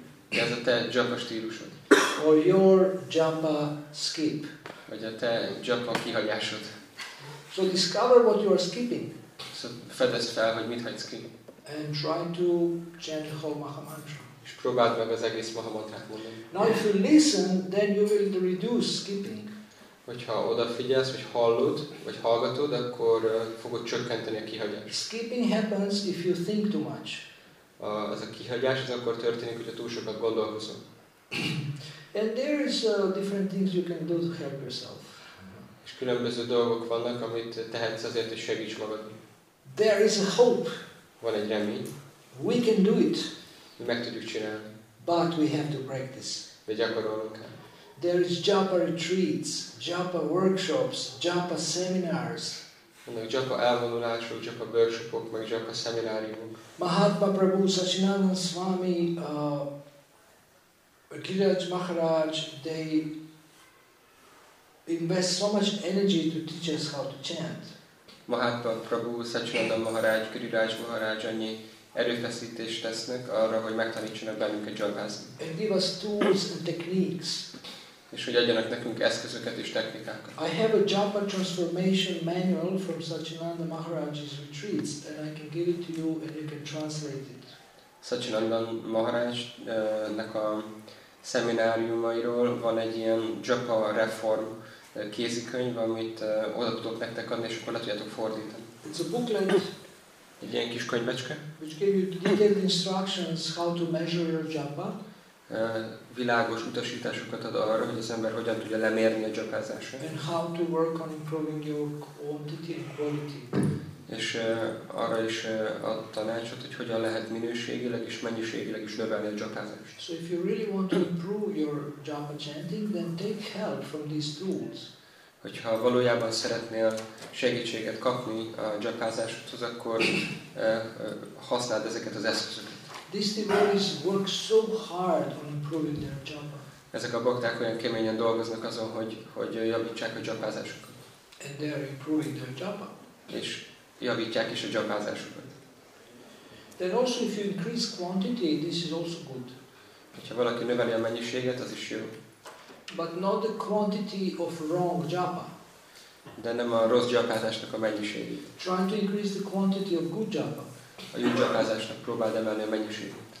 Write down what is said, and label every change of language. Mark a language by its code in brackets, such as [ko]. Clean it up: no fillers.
[hu] De ez a te japa stílusod. [en] Or your japa skip. [hu] Vagy a te japa kihagyásod. [en] So discover what you are skipping. [hu] Fedezd fel, hogy mit hagysz ki. [en] And try to chant the whole Mahamantra. [hu] És próbáld meg az egész Mahamantrát mondani. [en] Now if you listen, then you will reduce skipping. [hu] Hogyha odafigyelsz, vagy hallod, vagy hallgatod, akkor fogod csökkenteni a kihagyást. [en] Skipping happens if you think too much. [hu] Ez a kihagyás, ez akkor történik, hogyha túl sokat gondolkozom. [en] And there is different things you can do to help yourself. [hu] És különböző dolgok vannak, amit tehetsz azért, hogy segíts magad. [en] There is a hope. [hu] Van egy remény. [en] We can do it. [hu] Mi meg tudjuk csinálni. [en] But we have to practice. [hu] De gyakorolnunk kell. [en] There is japa retreats, japa workshops, japa seminars. [hu] Vannak japa elvonulások, japa workshopok, meg japa szemináriumok. [en] Mahatma Prabhu, Sachinandan Swami, Giriraj Maharaj, they invest so much energy to teach us how to chant. [hu] Mahatma Prabhu, Sachinandan Maharaj, Giriraj Maharaj annyi erőfeszítést tesznek arra, hogy megtanítsanak bennünket japázni. [en] And give us tools and techniques. [hu] És hogy adjanak nekünk eszközöket és technikákat. [en] I have a japa transformation manual from Sachinandan Maharaj's retreats and I can give it to you and you can translate it. [hu] Sachinandan Maharajnak a szemináriumairól van egy ilyen japa reform kézikönyv, amit oda tudok nektek adni, és akkor le tudjátok fordítani. [en] It's a booklet. [hu] Egy ilyen kis könyvecske. [en] Which gave you detailed instructions how to measure your japa. [hu] Világos utasításokat ad arra, hogy az ember hogyan tudja lemérni a japázását. [en] And how to work on improving your quantity and quality. [hu] És arra is ad tanácsot, hogy hogyan lehet minőségileg és mennyiségileg is növelni a japázást. [en] So if you really want to improve your japa chanting, then take help from these tools. [hu] Hogyha valójában szeretnél segítséget kapni a japázásodhoz, akkor használd ezeket az eszközöket. [en] These devotees work so hard on improving their japa. [hu] Ezek a bakták olyan keményen dolgoznak azon, hogy javítsák a japázásukat. [en] And they are improving their japa. [hu] És javítják is a japázásukat. [en] Then also if you increase quantity, this is also good. [hu] Hogyha valaki növeli a mennyiséget, az is jó. [en] But not the quantity of wrong japa. [hu] De nem a rossz japázásnak a mennyiségét. [en] Try to increase the quantity of good japa. [hu] A jó japázásnak próbáld emelni a mennyiségét.